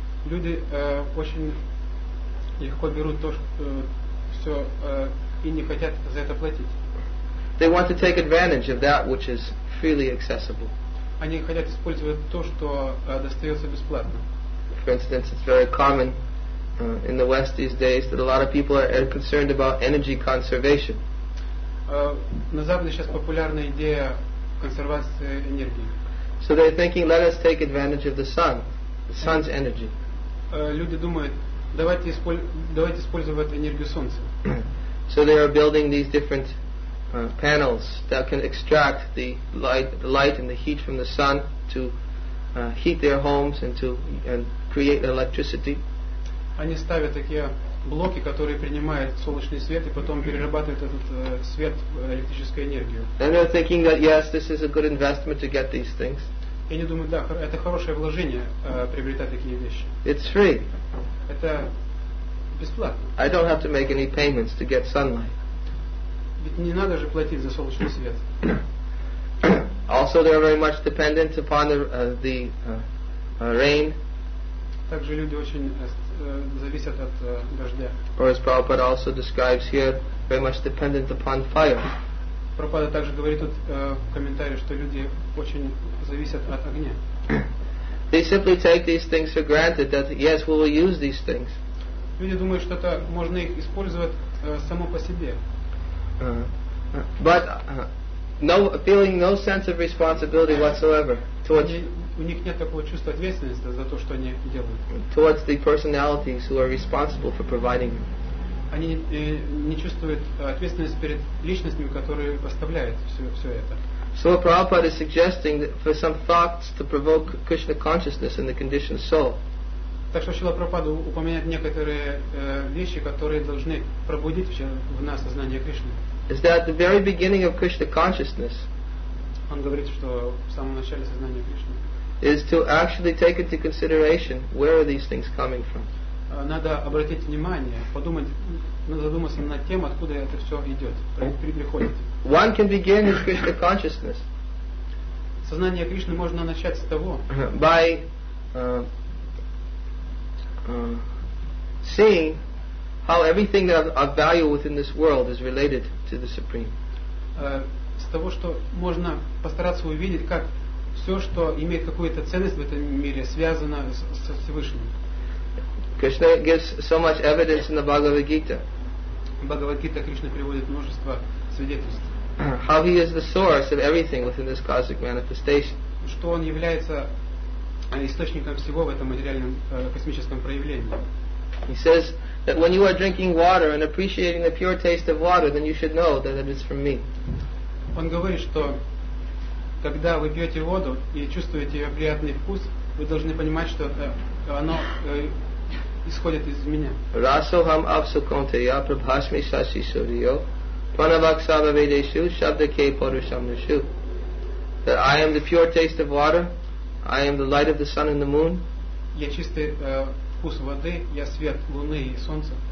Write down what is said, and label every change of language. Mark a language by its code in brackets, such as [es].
[ru] Люди очень легко берут то, что и не хотят за это платить. [en] They want to take advantage of that which is freely accessible. [ru] Они хотят использовать то, что достается бесплатно. [en] For instance, it's very common in the West these days that a lot of people are concerned about energy conservation. [ru] На Западе сейчас популярна идея консервации энергии. [en] So they're thinking, let us take advantage of the sun, the sun's energy. [ru] Люди думают, давайте использовать энергию солнца. [en] So they are building these different panels that can extract the light and the heat from the sun to heat their homes and create electricity. [ru] Они ставят такие блоки, которые принимают солнечный свет и потом перерабатывают этот свет в электрическую энергию. [en] And they're thinking that yes, this is a good investment to get these things. [ru] И они думают, да, это хорошее вложение приобретать такие вещи. [en] It's free. [ru] Это бесплатно. [en] I don't have to make any payments to get sunlight. [ru] Ведь не надо же платить за солнечный свет. [en] Also, they're very much dependent upon the rain. [ru] Также люди очень зависят от дождя. [en] Or as Prabhupada also describes here, very much dependent upon fire. [ru] Prabhupada также говорит тут в комментарии, что люди очень зависят от огня. [en] They simply take these things for granted that yes, we will use these things. [ru] Люди думают, что это можно их использовать само по себе. [en] But no, feeling no sense of responsibility whatsoever towards. [ru] У них нет такого чувства ответственности за то, что они делают. [en] Towards the personalities who are responsible for providing them. [ru] Они не чувствуют ответственность перед личностями, которые поставляют все это. [en] So Prabhupada is suggesting that for some thoughts to provoke Krishna consciousness in the conditioned soul. [ru] Так что Шрила Прабхупада упоминает некоторые вещи, которые должны пробудить в нас сознание Кришны. [en] Is that the very beginning of Krishna consciousness? [ru] Он говорит, что в самом начале сознания Кришны. [en] Is to actually take into consideration where are these things coming from. [ru] Надо обратить внимание, подумать, надо задуматься над тем, откуда это все идет, приходит. [en] One can begin with Krishna consciousness. [ru] Сознание Кришны можно начать с того. [en] By seeing how everything that of value within this world is related to the Supreme. [ru] С того, что можно постараться увидеть, как все, что имеет какую-то ценность в этом мире, связано со Всевышним. [en] Krishna gives so much evidence in the Bhagavad Gita. [ru] Bhagavad Gita Krishna приводит множество свидетельств. [en] How he is the source of everything within this cosmic manifestation. [ru] Что он является источником всего в этом материальном космическом проявлении. [en] He says that when you are drinking water and appreciating the pure taste of water, then you should know that it is from me. [ru] Он говорит, что когда вы пьете воду и чувствуете ее приятный вкус, вы должны понимать, что оно исходит из меня. [sa] Расохам авсукантея прабхасми саси сурьо панаваксава ведешу шабдаке парушамнешу. [en] That I am the pure taste of water, I am the light of the sun and the moon. [ru] Я чистый вкус воды, я свет луны и солнца.